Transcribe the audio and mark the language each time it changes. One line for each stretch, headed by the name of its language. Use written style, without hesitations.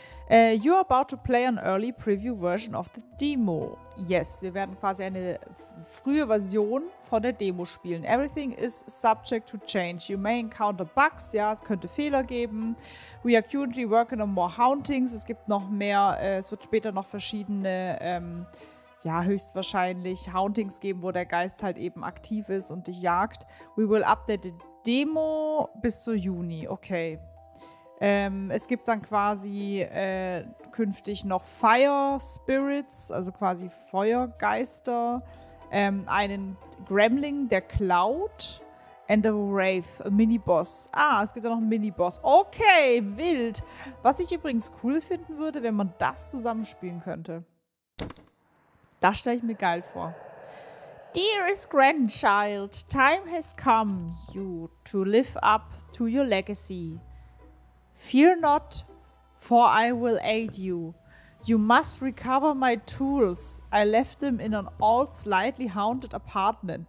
English: You are about to play an early preview version of the demo.
German: Yes, wir werden quasi eine frühe Version von der Demo spielen.
English: Everything is subject to change. You may encounter bugs.
German: Ja, es könnte Fehler geben.
English: We are currently working on more hauntings.
German: Es gibt noch mehr. Es wird später noch verschiedene, ja, höchstwahrscheinlich Hauntings geben, wo der Geist halt eben aktiv ist und dich jagt.
English: We will update the demo
German: bis zu Juni.
English: Okay.
German: Es gibt dann quasi künftig noch Fire Spirits, also quasi Feuergeister, einen Gremlin der Cloud
English: and a Wraith, a Miniboss.
German: Ah, es gibt auch noch einen Miniboss. Okay, wild. Was ich übrigens cool finden würde, wenn man das zusammenspielen könnte. Das stelle ich mir geil vor.
English: Dearest grandchild, time has come you to live up to your legacy. Fear not, for I will aid you. You must recover my tools. I left them in an old, slightly haunted apartment.